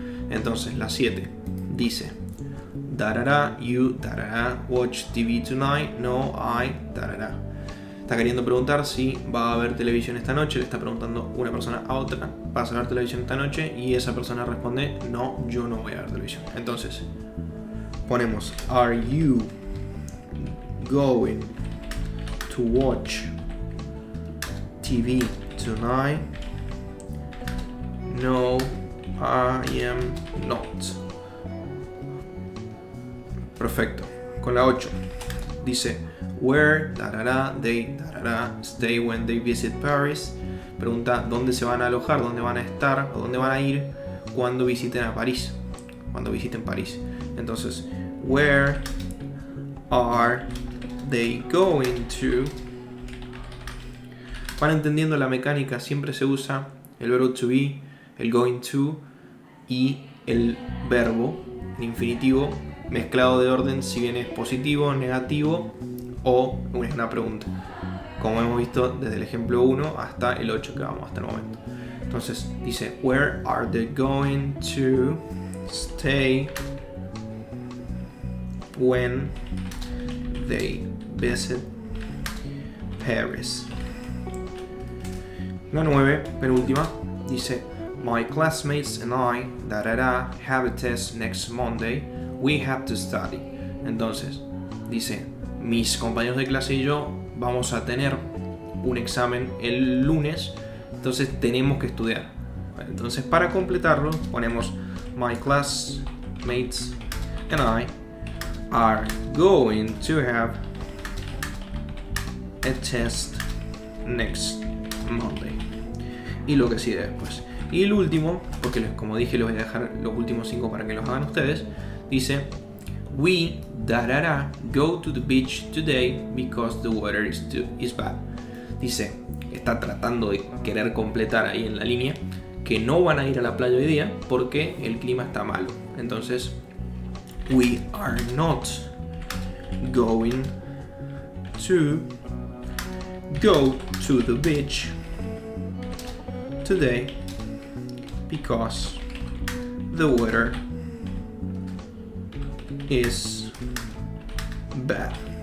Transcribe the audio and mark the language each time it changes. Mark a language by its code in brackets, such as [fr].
[es] Entonces, la 7 dice, [en] da-da-da, you, da-da-da, watch TV tonight, no, I, da-da-da. [es] Está queriendo preguntar si va a ver televisión esta noche, le está preguntando una persona a otra, ¿vas a ver televisión esta noche? Y esa persona responde, no, yo no voy a ver televisión. Entonces, ponemos, [en] are you going to watch TV tonight? No, I am not. [es] Perfecto. Con la 8. Dice, [en] where, tarara, they, tarara, stay when they visit Paris. [es] Pregunta, ¿dónde se van a alojar? ¿Dónde van a estar? ¿O dónde van a ir cuando visiten a París? Cuando visiten París. [en] Entonces, where are they going to? [es] Van entendiendo la mecánica. Siempre se usa el verbo to be, el going to y el verbo en infinitivo. Mezclado de orden, si bien es positivo, negativo o una pregunta. Como hemos visto desde el ejemplo 1 hasta el 8 que vamos hasta el momento. Entonces dice, [en] where are they going to stay when they visit Paris? [es] La 9, penúltima, dice, [en] my classmates and I, da-da-da, have a test next Monday. We have to study. [es] Entonces, dice, mis compañeros de clase y yo vamos a tener un examen el lunes, entonces tenemos que estudiar. Entonces, para completarlo, ponemos, [en] my classmates and I are going to have a test next Monday. [es] Y lo que sigue después. Y el último, porque como dije, les voy a dejar los últimos 5 para que los hagan ustedes. [en] Dice, we, da-da-da, go to the beach today because the water is bad. [es] Dice, está tratando de querer completar ahí en la línea, que no van a ir a la playa hoy día porque el clima está malo. [en] Entonces, we are not going to go to the beach today because the water is bad.